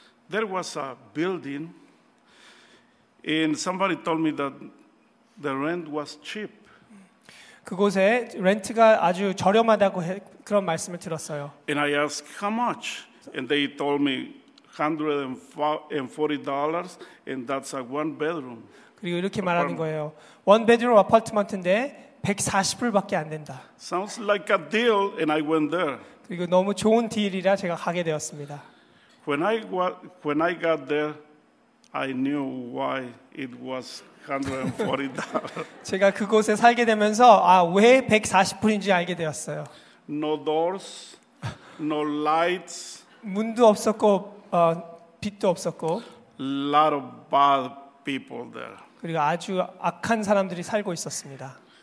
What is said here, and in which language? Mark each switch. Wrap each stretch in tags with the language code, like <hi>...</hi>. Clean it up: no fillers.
<en>There was a building and somebody told me that the rent was cheap.</en> <ko>그곳에 렌트가 아주 저렴하다고 그런 말씀을 들었어요.</ko> <en>And I asked how much? And they told me $140 and that's a one bedroom.</en> <ko>그리고 이렇게 말하는 거예요.</ko> <en>One bedroom apartment</en> <ko>인데 140불밖에 안 된다.</ko> <en>Sounds like a deal and I went there.</en> <ko>그리고 너무 좋은 딜이라 제가 가게 되었습니다.</ko> <en>When I got there, I knew why it was $140.</en> <ko>제가 그곳에 살게 되면서 왜 140불인지 알게 되었어요.</ko> <en>No doors, no lights.</en> <ko>문도 없었고 빛도 없었고.</ko> <en>Lot of bad people there.</en> <ko>그리고 아주 악한 사람들이 살고 있었습니다.</ko>